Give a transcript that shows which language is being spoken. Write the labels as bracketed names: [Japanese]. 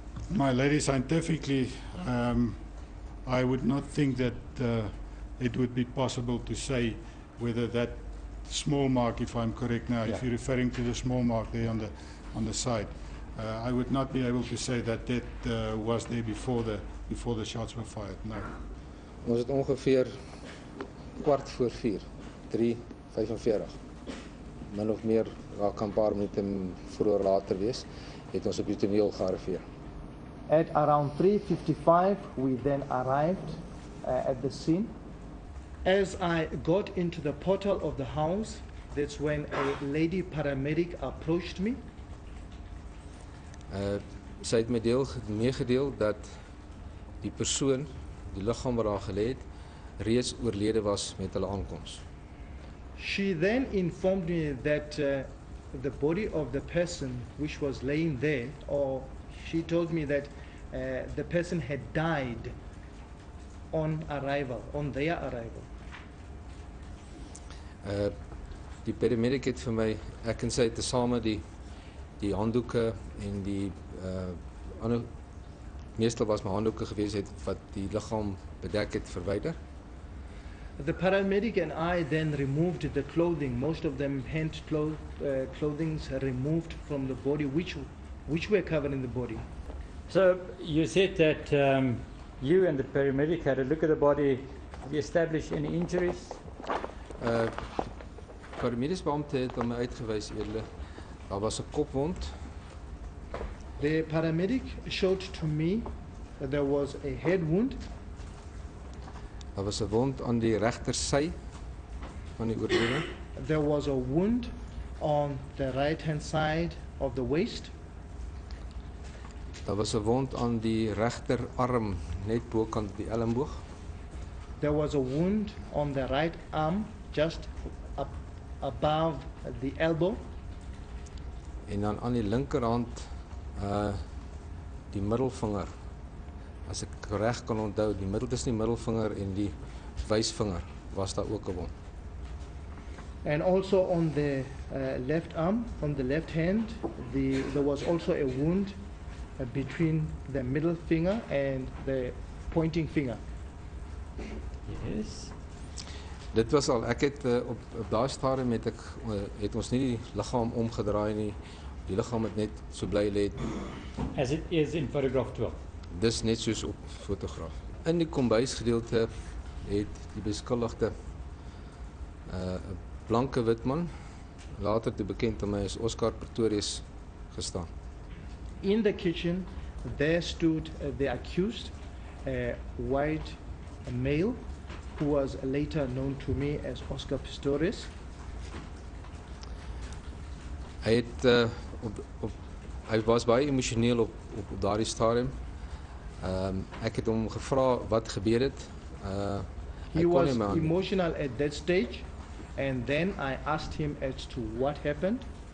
[English] My lady, scientifically, I would not think that it would be possible to say whether that small mark, if I'm correct now, if you're referring to the small mark there on the side, I would not be able to say that that was there before the shots were fired. No. Was it [Afrikaans] ongeveer kwart voor vier, 3:45? Min of meer, al kan paar minute vroeger later wees, het ons op die toneel gearriveer. [English] At around 3:55, we then arrived at the scene. As I got into the portal of the house, that's when a lady paramedic approached me. [Afrikaans] Sy het my deel meegedeel dat die persoon, die liggaam waar haar gelê het, reeds oorlede was met hulle aankoms. [English] She then informed me that the body of the person which was laying there, or she told me that the person had died on arrival, on their arrival. [Afrikaans] Die paramedic het vir my, ek en sy het tesame die handdoeke en die ander, meestal was my handdoeke gewees het wat die liggaam bedek het, verwyder. [English] The paramedic and I then removed the clothing, most of them hand clothings removed from the body which were covering the body. So you said that you and the paramedic had a look at the body. Have you established any injuries? [Afrikaans] Paramedics beamte het om uitgewys edele. Daar was 'n kopwond. [English] The paramedic showed to me that there was a head wound. [Afrikaans] Daar was 'n wond aan die regter sy van die oorlede. [English] There was a wound on the right hand side of the waist. [Afrikaans] Daar was 'n wond aan die regter arm net bokant die elmboog. [English] There was a wound on the right arm just up above the elbow. [Afrikaans] En dan aan die linkerhand die middelvinger. As ek reg kan onthou, die middel tussen die middelvinger en die wysvinger was daar ook 'n wond. [English] And also on the left arm, on the left hand, there was also a wound between the middle finger and the pointing finger. Yes. [Afrikaans] Dit was al, ek het op daai stadium het ons nie die liggaam omgedraai nie. Die liggaam het net so bly lê. [English] As it is in photograph 12. [Afrikaans] Dis net soos op fotograaf. In die kombuisgedeelte het die beskuldigde 'n blanke wit man, later toe bekend aan my as Oscar Pistorius, gestaan. [English] In the kitchen there stood the accused, a white male who was later known to me as Oscar Pistorius. [Afrikaans] Hy het hy was baie emosioneel op daardie stadium. Ek het hom gevra wat gebeur het. [English] He was emotional at that stage, and then I asked him as to what happened.